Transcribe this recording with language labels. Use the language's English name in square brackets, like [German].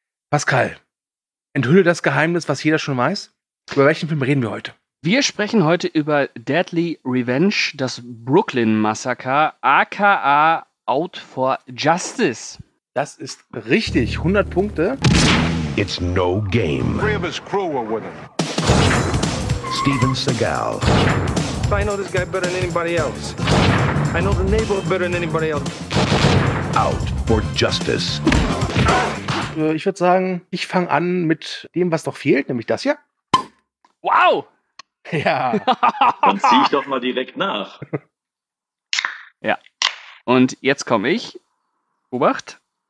[German] Pascal, enthülle das Geheimnis, was jeder schon weiß. Über welchen Film reden wir heute? Wir sprechen heute über Deadly Revenge, das Brooklyn-Massaker, aka Out for Justice. Das ist richtig, 100 Punkte. [English] It's no game. Three of his crew were with him. Steven Seagal. I know this guy better than anybody else. I know the neighborhood better than anybody else. Out for Justice. [German] Ich würde sagen, ich fange an mit dem, was doch fehlt, nämlich das hier. Wow! Ja. Dann zieh ich doch mal direkt nach. Ja. Und jetzt komme ich. Obacht.